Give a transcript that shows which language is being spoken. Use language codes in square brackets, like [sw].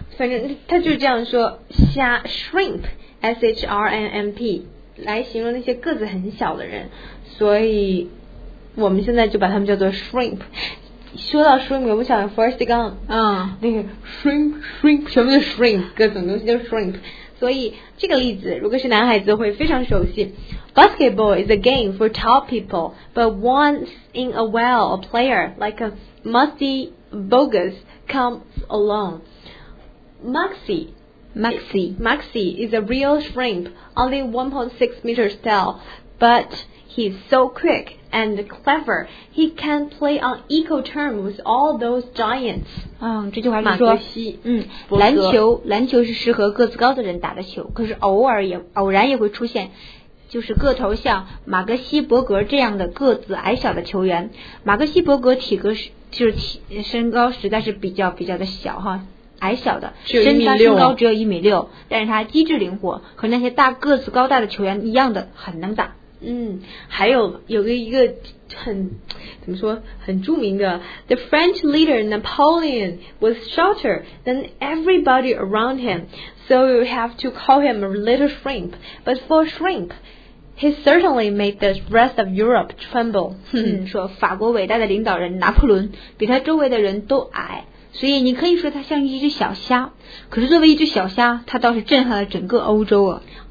[zh] 反正他就这样说，虾 shrimp s h r n m p 来形容那些个子很小的人，所以我们现在就把他们叫做 shrimp。说到 shrimp， 我想 Forrest Gump， 那个 shrimp 全部都 shrimp， 各种东西都 shrimp。所以这个例子如果是男孩子会非常熟悉。 [en] Basketball is a game for tall people, but once in a while, a player like a musty bogus comes along. Maxie is a real shrimp, only 1.6 meters tall, but he's so quick and clever, he can play on equal terms with all those giants. [zh] 这句话是说，篮球是适合个子高的人打的球，可是偶然也会出现，就是个头像马格西伯格这样的个子矮小的球员。马格西伯格体格是就是身高实在是比较的小哈。矮小的，身高只有1.6米，但是他机智灵活，和那些大个子高大的球员一样的很能打。还有一个很怎么说很著名的 [en] ，The French leader Napoleon was shorter than everybody around him, so you have to call him a little shrimp. But for shrimp, he certainly made the rest of Europe tremble. [zh] 说法国伟大的领导人拿破仑比他周围的人都矮。所以你可以说它像一只小虾，可是作为一只小虾，它倒是震撼了整个欧洲啊！